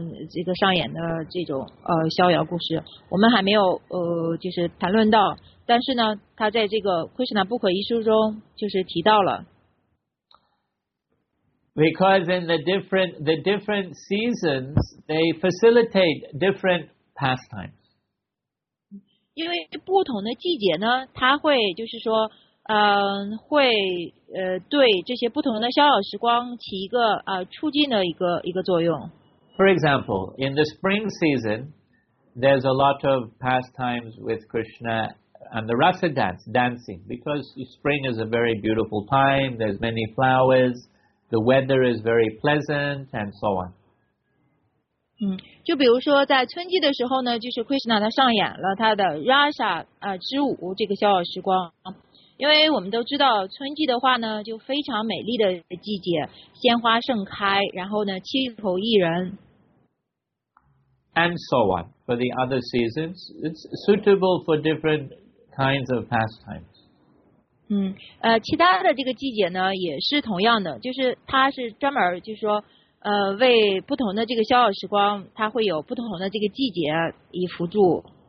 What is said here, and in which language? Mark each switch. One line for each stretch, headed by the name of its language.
Chinese: 这个上演的这种逍遥故事，我们还没有就是谈论到，但是呢，他在这个《Krishna Book》一书中就是提到了。
English: Because in the different seasons, they facilitate different pastimes.
Chinese: 因为不同的季节呢，它会就是说，会对这些不同的逍遥时光起一个促进的一个作用。
English: For example, in the spring season, there's a lot of pastimes with Krishna and the Rasa dance, dancing, because spring is a very beautiful time, there's many flowers, the weather is very pleasant, and so on.
Chinese: 就比如说在春季的时候呢，就是 Krishna 他上演了他的 Rasa 之舞这个逍遥时光。因为我们都知道春季的话呢就非常美丽的季节，鲜花盛开，然后呢气候宜人。
English: And so on. For the other seasons, it's suitable for different kinds of pastimes.
Chinese: 其他的这个季节呢也是同样的，就是它是专门就是说为不同的这个逍遥时光，它会有不同的这个季节以辅助。